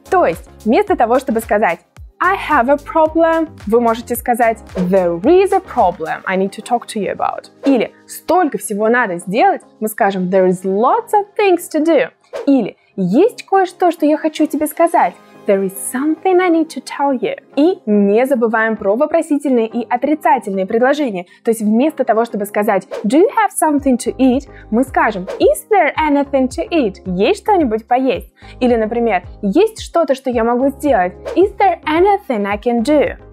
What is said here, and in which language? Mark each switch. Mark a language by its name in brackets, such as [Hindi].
[Russian] То есть, вместо того, чтобы сказать [English] I have a problem, [Russian] вы можете сказать [English] There is a problem I need to talk to you about. [Russian] Или столько всего надо сделать, мы скажем [English] There is lots of things to do. [Russian] Или есть кое-что, что я хочу тебе сказать. [English] There is something I need to tell you. [Russian] И не забываем про вопросительные и отрицательные предложения. То есть вместо того, чтобы сказать [English] Do you have something to eat? [Russian] Мы скажем [English] Is there anything to eat? [Russian] Есть что-нибудь поесть? Или, например, есть что-то, что я могу сделать? [English] Is there anything I can do?